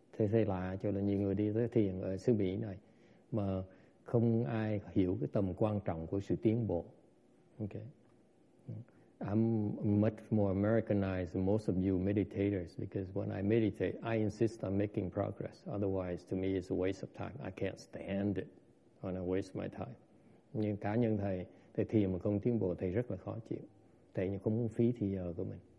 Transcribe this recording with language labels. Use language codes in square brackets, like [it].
[vi] Thế thế lạ cho là nhiều người đi tới thiền ở xứ Mỹ này mà không ai hiểu cái tầm quan trọng của sự tiến bộ. [en] Okay. I'm much more Americanized than most of you meditators because when I meditate, I insist on making progress. Otherwise, to me, it's a waste of time. I can't stand it and I waste my time. [vi] Nhưng cá nhân thầy thiền mà không tiến bộ, thầy rất là khó chịu. Thầy như không muốn phí thời giờ của mình.